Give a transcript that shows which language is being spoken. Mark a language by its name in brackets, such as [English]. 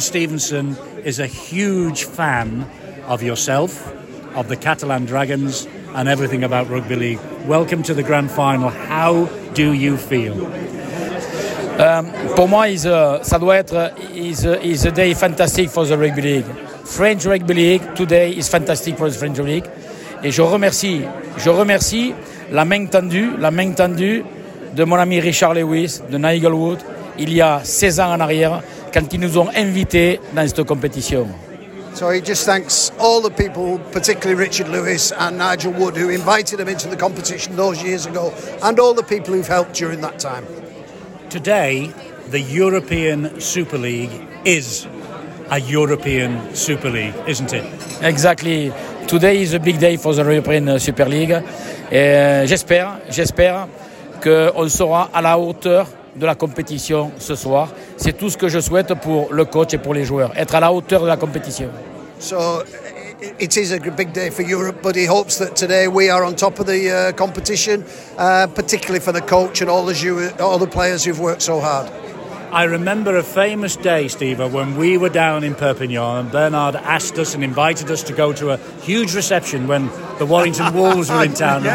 [English] Stevenson is a huge fan of yourself, of the Catalan Dragons, and everything about rugby league. Welcome to the grand final. How do you feel? [French] Pour moi, [English] is a day fantastic for the rugby league. French rugby league today is fantastic for the French league. [French] Et je remercie la main tendue de mon ami Richard Lewis de Nigelwood il y a 16 ans en arrière quand ils nous ont invités dans cette compétition. [English] So he just thanks all the people, particularly Richard Lewis and Nigel Wood, who invited him into the competition those years ago, and all the people who've helped during that time. Today, the European Super League is a European Super League, isn't it? Exactly. Today is a big day for the European Super League. [French] Et j'espère qu'on sera à la hauteur de la compétition ce soir. C'est tout ce que je souhaite pour le coach et pour les joueurs, être à la hauteur de la compétition. [English] So, it is a big day for Europe, but he hopes that today we are on top of the competition, particularly for the coach and all the players who've worked so hard. I remember a famous day, Steve, when we were down in Perpignan and Bernard asked us and invited us to go to a huge reception when the Warrington Wolves were in town.